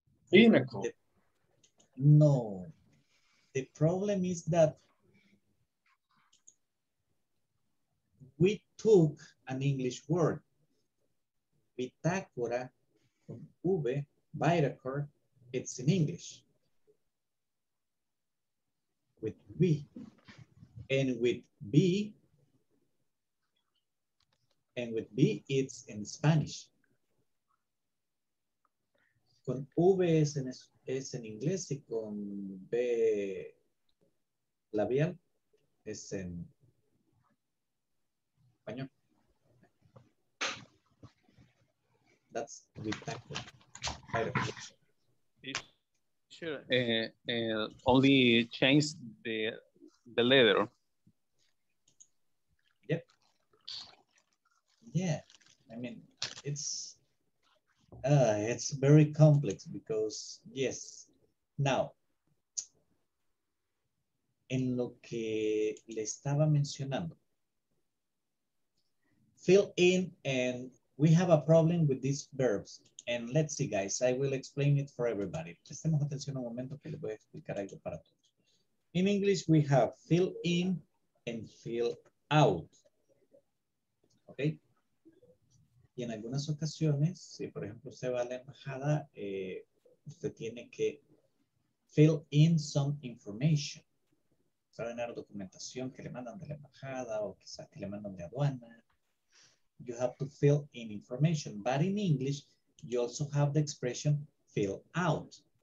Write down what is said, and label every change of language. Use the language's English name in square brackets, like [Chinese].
[English] The problem is that we took an English word, bitácora, from V, bitácora, it's in English, with V, and with B, it's in Spanish. [Spanish] Con V es en inglés y con B labial es en español. [English] That's bitácora. Sure. Only change the letter. Yep. Yeah. I mean, it's very complex because, yes, now, [Spanish] en lo que le estaba mencionando, [English] fill in, and we have a problem with these verbs. And let's see, guys, I will explain it for everybody. [Spanish] Prestemos atención un momento que les voy a explicar algo para todos. [English] In English, we have fill in and fill out, okay? [Spanish] Y en algunas ocasiones, si por ejemplo usted va a la embajada, usted tiene que [English] fill in some information. [Spanish] Va a tener documentación que le mandan de la embajada o quizás que le mandan de aduana. [English] You have to fill in information. But in English, you also have the expression fill out.